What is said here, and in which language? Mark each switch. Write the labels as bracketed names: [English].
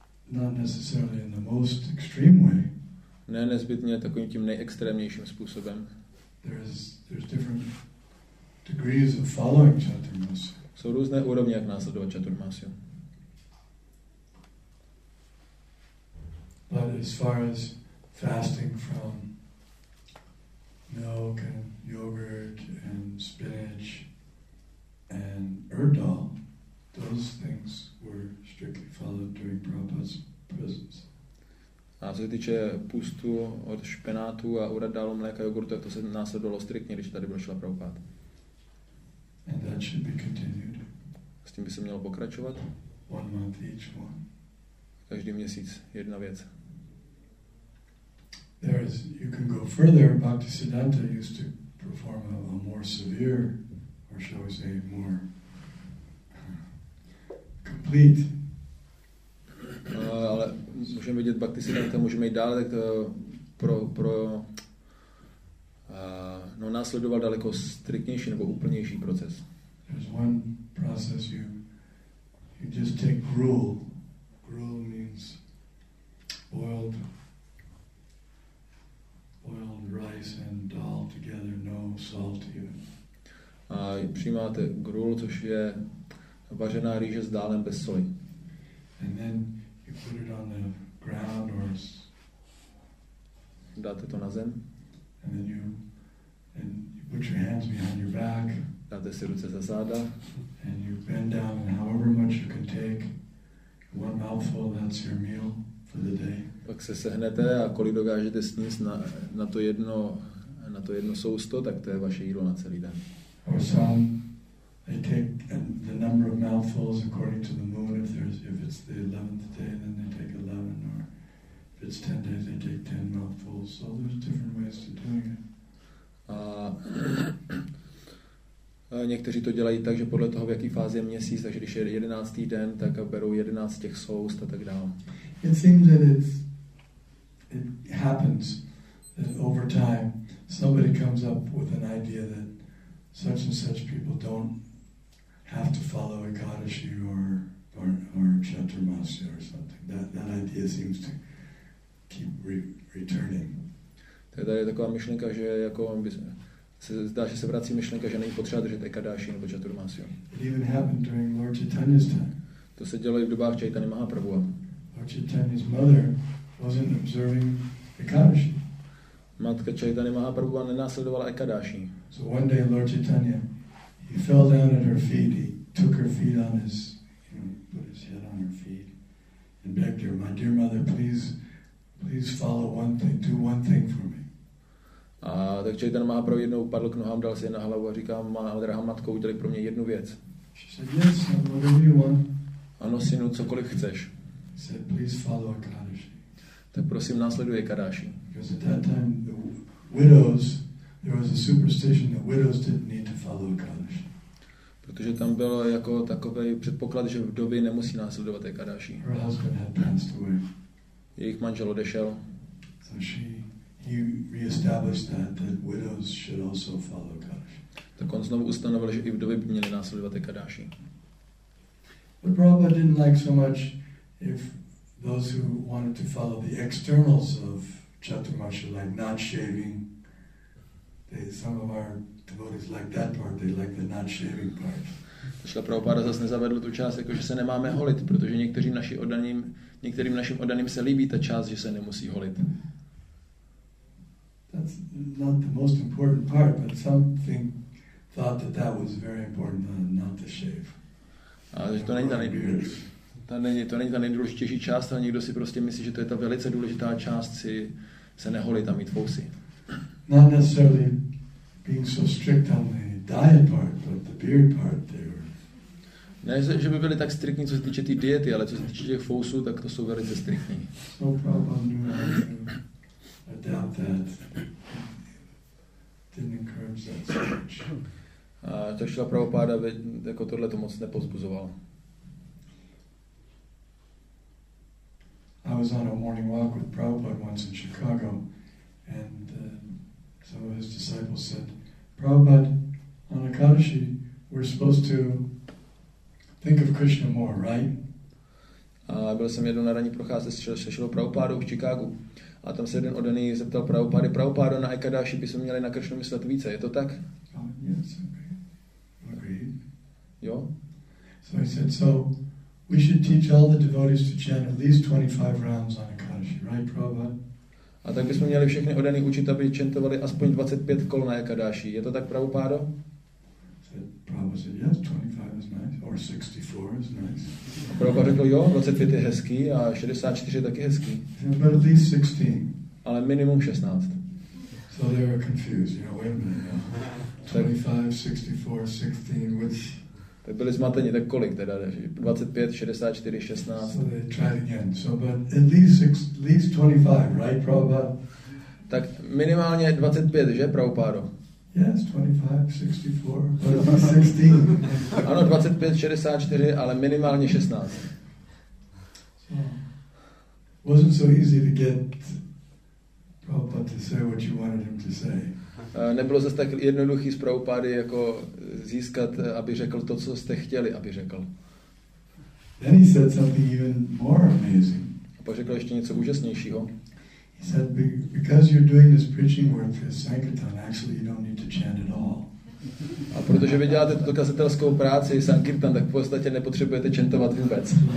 [English] Not necessarily in the most extreme way. [Czech] Ne nezbytně takovým tím nejextrémnějším způsobem. [English] There's different degrees of following Chaturmasya. [Czech] Jsou různé úrovně, jak následovat Chaturmasyu. [English] But as far as fasting from milk and yogurt and spinach and erdal, those things were strictly followed during Prabhupada's presence. [Czech] A co se týče půstu od špenátu a uradalu, mléka, jogurtu, to se následovalo striktně, když tady byl Šila Prabhupada. [English] And that should be continued. [Czech] S tím by se mělo pokračovat? [English] One month each one. [Czech] Každý měsíc jedna věc. [English] There is, you can go further. Bhaktisiddhanta used to perform a more severe, or shall we say, more complete. [Czech] Ale můžeme vidět Bhaktisiddhanta, můžeme jít dále, tak to pro následoval daleko striktnější nebo úplnější proces. [English] There's one process you just take gruel. Gruel means boiled rice and dal together, no salt even. [Czech] A přijímáte gruel, což je vařená rýže s dálem bez soli. [English] And then you put it on the ground or [Czech] dáte to na zem. [English] And then you put your hands behind your back. [Czech] Dáte si ruce za záda. [English] And you bend down and however much you can take, one mouthful, that's your meal for the day. [Czech] Pak se sehnete a kolik dokážete sníst na to jedno sousto, tak to je vaše jídlo na celý den. [English] Or some, they take the number of mouthfuls according to the moon. If it's the 11th day, then they take 11. Or if it's 10 days, they take 10 mouthfuls. So there's different ways to doing it. [Czech] Někteří to dělají tak, že podle toho, v jaký fázi je měsíc, takže když je 11. den, tak berou 11 těch soust a tak dále. [English] It seems that it happens that over time somebody comes up with an idea that such and such people don't have to follow Ekadashi or Chaturmasya or something. That idea seems to keep returning. [Czech] Tady je taková myšlenka, že jako se zdá, že se vrací myšlenka, že není potřeba držet Ekadashi nebo Chaturmasya. [English] It even happened during Lord Chaitanya's time. [Czech] To se dělo i v dobách Chaitany Mahaprabhu. [English] Lord Chaitanya's mother wasn't observing Ekadashi. [Czech] Matka Chaitany Mahaprabhu nenásledovala Ekadashi. [English] So one day Lord Chaitanya, he fell down at her feet, he took her feet on his, put his head on her feet and begged her, my dear mother, please follow one thing, do one thing for me. [Czech] A tak Chaitanya Mahaprabhu jednou padl k nohám, dal si je na hlavu a říká, drahá matko, udělej pro mě jednu věc. [English] She said, yes, whatever you want. [Czech] Ano, synu, cokoliv chceš. [English] She said, please follow Ekadashi. [Czech] Tak prosím, následuj Ekadashi. [English] Because at that time, the widows, there was a superstition that widows didn't need to follow Ekadashi. [Czech] Protože tam bylo jako takovej předpoklad, že vdovy nemusí následovat Ekadashi. [English] Her husband had passed away. [Czech] Jejich manžel odešel. [English] So he reestablished that widows should also follow Ekadashi. [Czech] Tak on znovu ustanovil, že i vdovy by měly následovat Ekadashi. [English] But Prabhupada didn't like so much if those who wanted to follow the externals of Chaturmasya, like not shaving, some of our devotees like that part, they like the not shaving part. [Czech] Šla Prabhupáda zase nezavedl tu část, jako že se nemáme holit, protože některým našim oddaným se líbí ta část, že se nemusí holit. [English] That's not the most important part, but something thought that that was very important, not to shave. [Czech] To není ta nejdůležitější část, ale někdo si prostě myslí, že to je ta velice důležitá část, si se neholit a mít fousy. [English] Not necessarily being so strict on the diet part, but the beard part there. [Czech] Ne, že by byli tak striktní, co se týče té diety, ale co se týče těch fousů, tak to jsou velice striktní. [English] No problem, I doubt that. Didn't encourage that so much. [Czech] A to šlo Prabhupáda, jako tohle to moc nepozbuzoval. [English] I was on a morning walk with Prabhupada once in Chicago, and some of his disciples said, Prabhupada, on Ekadashi, we're supposed to think of Krishna more, right? [Czech] A byl jsem jednou na ranní procházce se Šilou Prabhupádou v Chicagu. A tam se jeden oddaný zeptal Prabhupády, Prabhupádo, na Ekadashi bychom měli na Krishnu myslet více, je to tak? [English] Yes, okay. Agreed. Jo? So he said, so we should teach all the devotees to chant at least 25 rounds on Ekadashi, right, Prabhupada? [Czech] A tak bychom měli všechny oddaný učit, aby chantovali aspoň 25 kol na Ekadashi, je to tak, Prabhupádo? [English] Prabhupada said, yes, 25 is nice, or 64 is nice. [Czech] Prabhupada řekl, jo, 25 je hezký a 64 je taky hezký. [English] But at least 16. [Czech] Ale minimum 16. [English] So they were confused, you know, wait a minute, 25, 64, 16, which... [Czech] Tak byli zmateni, tak kolik teda, 25, 64, 16. [English] So they tried again, so but at least, at least 25, right, Prabhupada? [Czech] Tak minimálně 25, že, Prabhupádo? [English] Yes, 25, 64, 16. [Czech] Ano, 25, 64, ale minimálně 16. [English] So, wasn't so easy to get Prabhupada to say what you wanted him to say. [Czech] Nebylo zase tak jednoduchý z Prabhupády jako získat, aby řekl to, co jste chtěli, aby řekl. [English] Then he said something even more amazing. [Czech] A pak řekl ještě něco úžasnějšího. [English] He said, because you're doing this preaching work for Sankirtan, actually you don't need to chant at all. [Czech] A protože vy děláte tuto kazatelskou práci Sankirtan, tak v podstatě nepotřebujete chantovat vůbec.